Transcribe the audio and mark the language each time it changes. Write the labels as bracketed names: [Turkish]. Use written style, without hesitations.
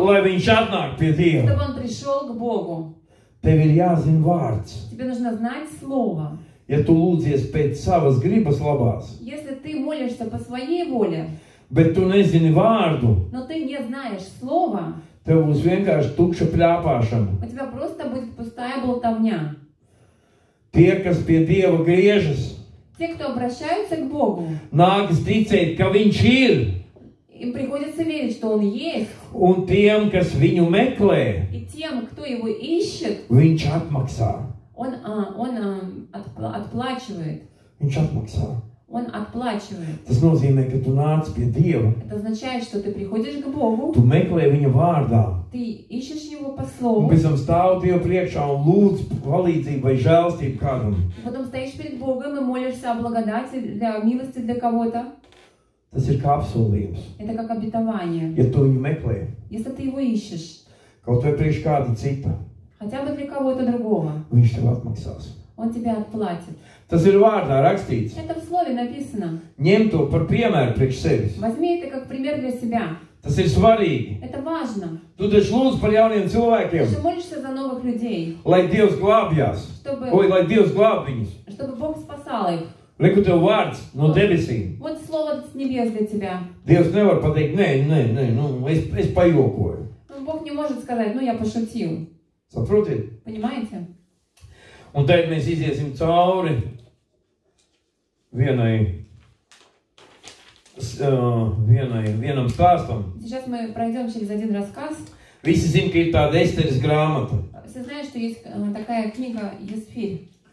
[Latvian] Lai viņš atnāk pie Dieva. [Russian] Чтобы он пришел к Богу. [Latvian] Tev ir jāzina vārds. [Russian] Tebe nužina znaet slova. [Latvian] Ja tu lūdzies pēc savas gribas labās. [Russian] Если ты молишься по своей воле. [Latvian] Bet tu nezini vārdu. [Russian] Но ты не знаешь слова. [Latvian] Tev būs vienkārši tukša pļāpāšana. [Russian] У тебя просто будет пустая болтовня. [Latvian] Tie, kas pie Dieva griežas. [Russian] Те, кто обращаются к Богу. [Latvian] Nāk ticēt, ka viņš ir. [Russian] Им приходится верить, что он есть. [Latvian] Un tiem, kas viņu meklē. [Russian] И тем, кто его ищет. [Latvian] Viņš atmaksā. [Russian] Он отплачивает. [Latvian] Viņš atmaksā. [Russian] Он отплачивает. [Latvian] Tas nozīmē, ka tu nāc pie Dieva. [Russian] Это означает, что ты приходишь к Богу. [Latvian] Tu meklē viņa vārdā. [Russian] Ты ищешь его по слову. [Latvian] Un visam stāv Dieva priekšā un lūdz palīdzību vai žēlstību kādam. [Russian] Потом стоишь перед Богом и молишься о благодати, для милости для кого-то. [Latvian] Tas ir kā apsolījums. [Russian] Это как обетование. [Latvian] Ja tu viņu meklē. [Russian] Если ты его ищешь. [Latvian] Kaut vai priekš kāda cita. [Russian] Хотя бы для кого-то другого. [Latvian] Viņš tev atmaksās. [Russian] Он тебе отплатит. [Latvian] Tas ir vārdā rakstīts. [Russian] Это в слове написано. [Latvian] Ņem to par piemēru priekš sevis. [Russian] Возьми это как пример для себя. [Latvian] Tas ir svarīgi. [Russian] Это важно. [Latvian] Tu taču lūdz par jauniem cilvēkiem. [Russian] Ты же молишься за новых людей. [Latvian] Lai Dievs glābjās. Lai Dievs glāb viņus. [Russian] Чтобы Бог спасал их. [Latvian] Reku tev vārds no debesīm. [Russian] Вот слово с небес для тебя. [Latvian] Dievs nevar pateikt, nē, nu es pajokoju. [Russian] Ну, Бог не может сказать, ну я пошутил. [Latvian] Saprotiet? [Russian] Понимаете? [Latvian] Un tad mēs iziesim cauri vienam stāstam. [Russian] Сейчас мы пройдем через один рассказ. [Latvian] Visi zin, ka ir tāda Esteres grāmata. [Russian] Все знают, что есть такая книга Есфирь.